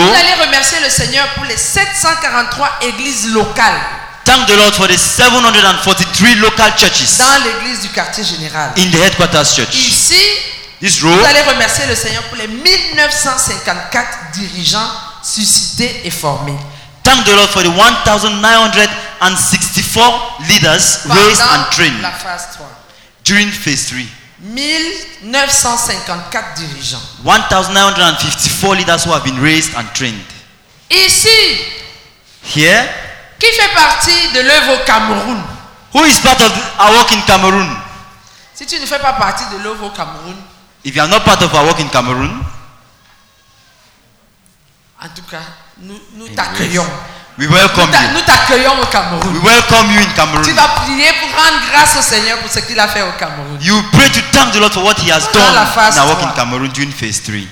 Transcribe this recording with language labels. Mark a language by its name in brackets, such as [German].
[French] vous allez remercier le Seigneur pour les 743 églises locales. [English] Thank the Lord for the 743 local churches. [French] Dans l'église du quartier général. [English] In the headquarters church. [French] Ici, [English] this row, [French] vous allez remercier le Seigneur pour les 1954 dirigeants suscités et formés. [English] Thank the Lord for the 1,964 leaders raised and trained. [French] La phase 3. [English] During phase 3. [French] 1,954 dirigeants. [English] 1,954 leaders who have been raised and trained. [French] Ici. [English] Here. [French] Qui fait partie de l'œuvre au Cameroun? [English] Who is part of our work in Cameroon? [French] Si tu ne fais pas partie de l'œuvre au Cameroun. [English] If you are not part of our work in Cameroon. [French] En tout cas. Nous t'accueillons. [English] We welcome [French] nous [English] you. [French] Nous t'accueillons au Cameroun. [English] We welcome you in Cameroon. [French] Tu vas prier pour rendre grâce au Seigneur pour ce qu'il a fait au Cameroun. [English] You pray to thank the Lord for what he has done in our work in Cameroon during phase 3.